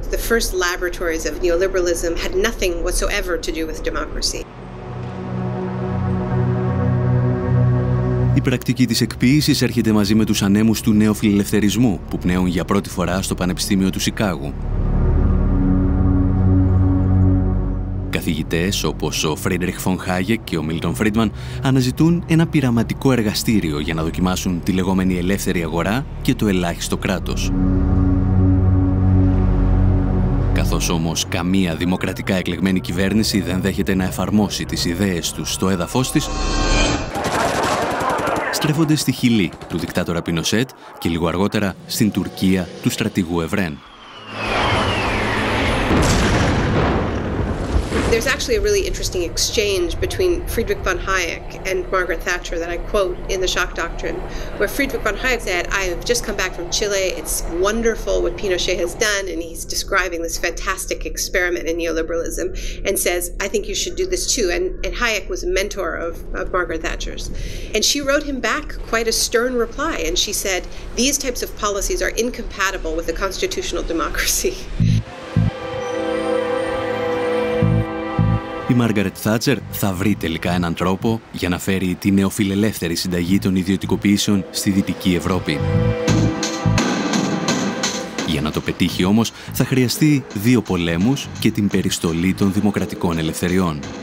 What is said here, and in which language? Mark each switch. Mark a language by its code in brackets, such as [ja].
[en] The first laboratories of neoliberalism had nothing whatsoever to do with democracy. [el] Η πρακτική της εκποίησης έρχεται μαζί με τους ανέμους του νεοφιλελευθερισμού που πνέουν για πρώτη φορά στο Πανεπιστήμιο του Σικάγου. Καθηγητές όπως ο Φρίντριχ φον Χάγεκ και ο Μίλτον Φρίντμαν αναζητούν ένα πειραματικό εργαστήριο για να δοκιμάσουν τη λεγόμενη ελεύθερη αγορά και το ελάχιστο κράτος. Καθώς όμως καμία δημοκρατικά εκλεγμένη κυβέρνηση δεν δέχεται να εφαρμόσει τις ιδέες τους στο έδαφος της, στρέφονται στη Χιλή του δικτάτορα Πινοσέτ και λίγο αργότερα στην Τουρκία του στρατηγού Ευρέν. [en] There's actually a really interesting exchange between Friedrich von Hayek and Margaret Thatcher that I quote in The Shock Doctrine, where Friedrich von Hayek said, I have just come back from Chile, it's wonderful what Pinochet has done, and he's describing this fantastic experiment in neoliberalism, and says, I think you should do this too. And Hayek was a mentor of Margaret Thatcher's. And she wrote him back quite a stern reply, and she said, these types of policies are incompatible with a constitutional democracy. [el] Η Μάργαρετ Θάτσερ θα βρει τελικά έναν τρόπο για να φέρει τη νεοφιλελεύθερη συνταγή των ιδιωτικοποιήσεων στη Δυτική Ευρώπη. Για να το πετύχει όμως, θα χρειαστεί δύο πολέμους και την περιστολή των δημοκρατικών ελευθεριών.